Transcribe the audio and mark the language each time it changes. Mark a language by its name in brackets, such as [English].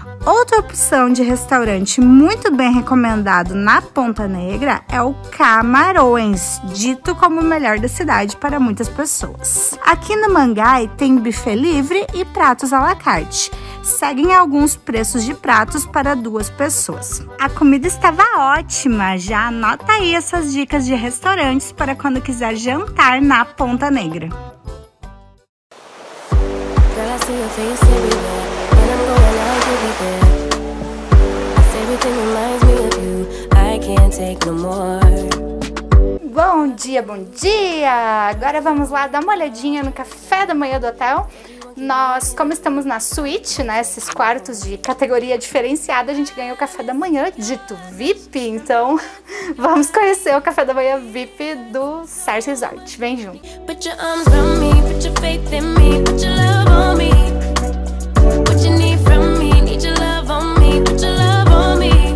[Portuguese] Outra opção de restaurante muito bem recomendado na Ponta Negra é o Camarões, dito como o melhor da cidade para muitas pessoas. Aqui no Mangai tem buffet livre e pratos à la carte. Seguem alguns preços de pratos para duas pessoas. A comida estava ótima, já anota aí essas dicas de restaurantes para quando quiser jantar na Ponta Negra. [English] Girl, I see your face everywhere, and I'm going out to be there. If everything reminds me of you, I can't take no more. [Portuguese] Bom dia, bom dia! Agora vamos lá dar uma olhadinha no café da manhã do hotel. Nós, como estamos na suíte, né, esses quartos de categoria diferenciada, a gente ganha o café da manhã, dito VIP. Então, vamos conhecer o café da manhã VIP do Sars Resort. Vem junto! [English] Put your arms around me, put your faith in me, put your love on me. What you need from me, need your love on me, put your love on me.